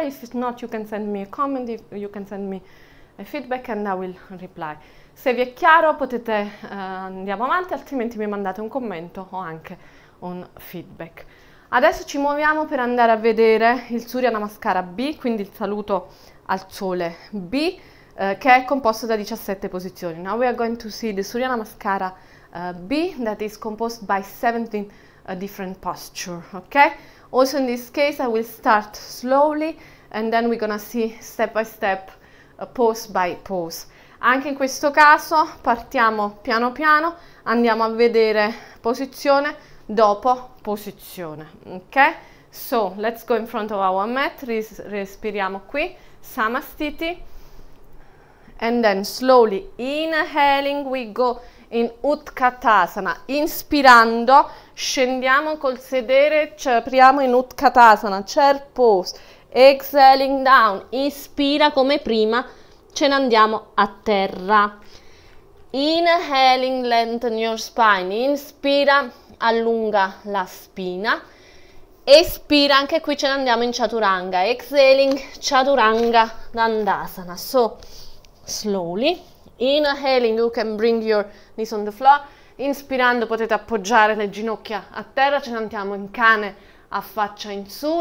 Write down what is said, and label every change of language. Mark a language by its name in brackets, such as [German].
[English] If it's not, you can send me a comment, you can send me a feedback and I will reply. [Italian] Se vi è chiaro, potete andiamo avanti, altrimenti mi mandate un commento o anche un feedback. Adesso ci muoviamo per andare a vedere il Surya Namaskara B, quindi il saluto al sole B, che è composto da 17 posizioni. [English] Now we are going to see the Surya Namaskara B that is composed by 17 different posture, ok? Also in this case, I will start slowly and then we're gonna see step by step, pose by pose. [Italian] Anche in questo caso partiamo piano piano, andiamo a vedere posizione dopo posizione. [English] Ok? So, let's go in front of our mat, [Italian] respiriamo qui, [English] Samastiti. And then slowly, inhaling, we go in Utkatasana, [Italian] inspirando, scendiamo col sedere, ci apriamo in Utkatasana, [English] chair pose, exhaling down, [Italian] inspira come prima, ce ne andiamo a terra. [English] Inhaling, lengthen your spine, [Italian] inspira, allunga la spina, espira, anche qui ce ne andiamo in Chaturanga, [English] exhaling, Chaturanga Dandasana, so, slowly. Inhaling, you can bring your knees on the floor. [Italian] Inspirando, potete appoggiare le ginocchia a terra. Ce ne andiamo in cane a faccia in su.